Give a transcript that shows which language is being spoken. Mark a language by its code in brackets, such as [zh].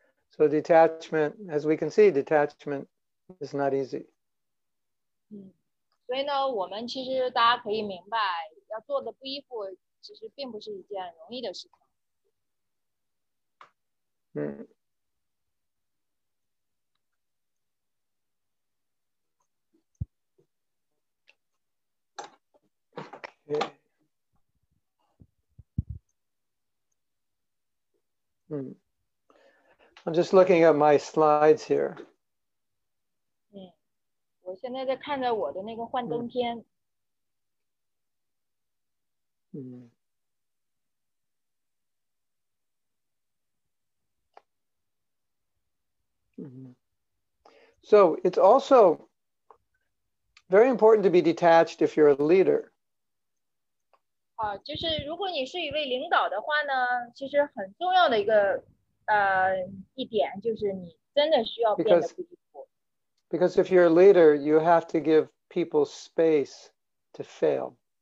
[en] So detachment, as we can see, detachment is not easy. [zh] 所以呢，我们其实大家可以明白，要做的不依附，其实并不是一件容易的事情。 [en] I'm just looking at my slides here. Yeah. [zh] 现在在看着我的那个幻灯片。 [en] So it's also very important to be detached if you're a leader. [zh] 就是如果你是一位领导的话呢，其实很重要的一个一点就是你真的需要变得不依附。 [en] Because if you're a leader, you have to give people space to fail.